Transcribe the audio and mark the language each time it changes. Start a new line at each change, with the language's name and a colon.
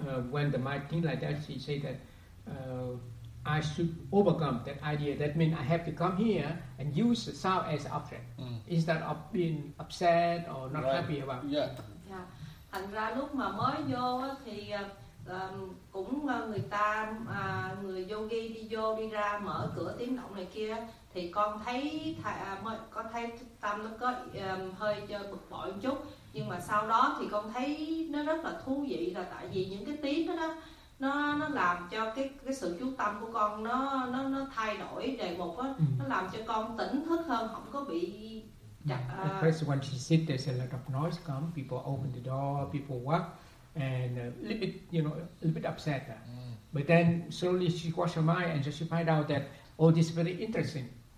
English: When the mind thinks like that, she say that I should overcome that idea. That means I have to come here and use the sound as an object instead of being upset or not happy about.
Vietnamese: Thành ra lúc mà mới vô thì cũng người ta người yogi đi vô đi ra mở cửa tiếng động này kia, thì con thấy thấy tâm nó có hơi bực bội một chút. Nhưng mà sau đó thì con thấy nó rất là thú vị, là tại vì những cái tiếng đó nó làm cho cái sự chú tâm của con nó thay đổi đề mục á, nó làm cho con tỉnh thức hơn, không có bị chặt.
English: First when she sit, there's a lot of noise come, people open the door, people walk, and a little bit upset. But then slowly she washed her mind and just she find out that oh, this is very interesting.